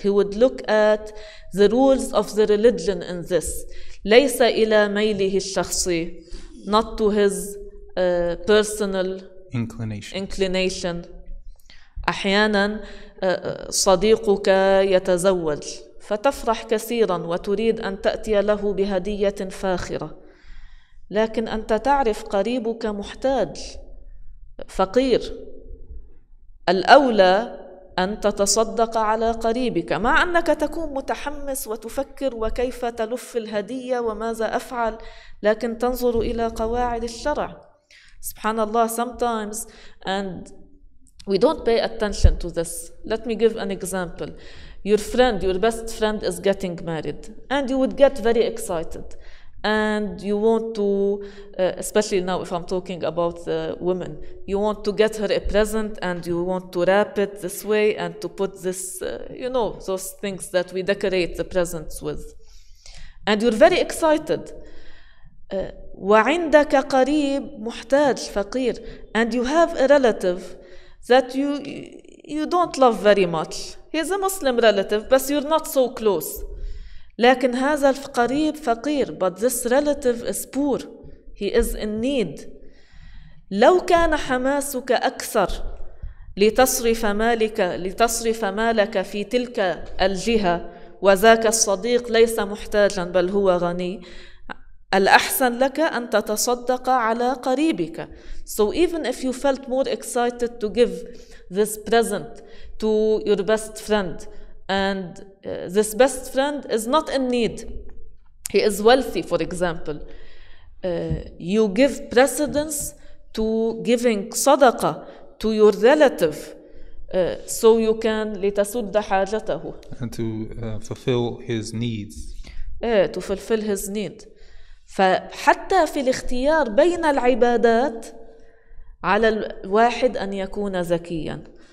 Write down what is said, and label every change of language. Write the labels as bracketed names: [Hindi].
[English] He would look at the rules of the religion in this. [Arabic] ليس إلى ميله الشخصي, [English] not to his personal inclination. [Arabic] أحيانا صديقك يتزوج فتفرح كثيرا وتريد أن تأتي له بهدية فاخرة لكن أنت تعرف قريبك محتاج فقير. الأولى أن تتصدق على قريبك مع أنك تكون متحمس وتفكر وكيف تلف الهدية وماذا أفعل لكن تنظر إلى قواعد الشرع. سبحان الله, [English] sometimes and we don't pay attention to this. Let me give an example. Your friend, your best friend is getting married and you would get very excited and you want to, especially now if I'm talking about the woman, you want to get her a present and you want to wrap it this way and to put this, you know, those things that we decorate the presents with. And you're very excited. [Arabic] وعندك قريب محتاج فقير. [English] And you have a relative that you don't love very much. He's a Muslim relative, but you're not so close. [Arabic] لكن هذا القريب فقير, [English] but this relative is poor. He is in need. [Arabic] لو كان حماسك أكثر لتصرف مالك في تلك الجهة وذاك الصديق ليس محتاجا بل هو غني, الأحسن لك أن تتصدق على قريبك. [English] So even if you felt more excited to give this present to your best friend, and this best friend is not in need, he is wealthy, for example, you give precedence to giving sadaqah to your relative so you can [Arabic] لتسد حاجته, [English] and to fulfill his needs. To fulfill his need. [Arabic] فحتى في الاختيار بين العبادات على الواحد أن يكون ذكيا.